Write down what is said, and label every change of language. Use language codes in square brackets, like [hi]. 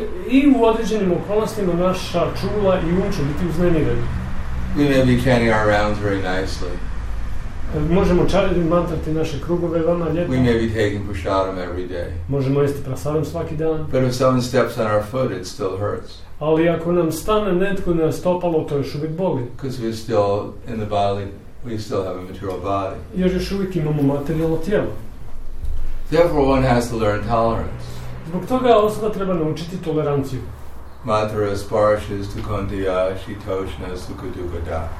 [hr] I u određenim okolnostima naša čula i um će biti uznemireni. [en] We may be chanting our rounds very nicely. [hr] Možemo čariti i mantrati naše krugove vama lijepo. [en] We may be taking prasadam every day. [hr] Možemo jesti prasadam svaki dan. [en] But if someone steps on our foot, it still hurts. [hr] Ali ako nam stane netko na stopalo, to još uvijek boli. [en] Because we're still in the body, we still have a material body. [hr] Jer još uvijek imamo materijalno tijelo. [en] Therefore, one has to learn tolerance. [hr] Zbog toga osoba treba naučiti toleranciju. [sa] Matara sparshes tu kondiya shitoshna sukadugada.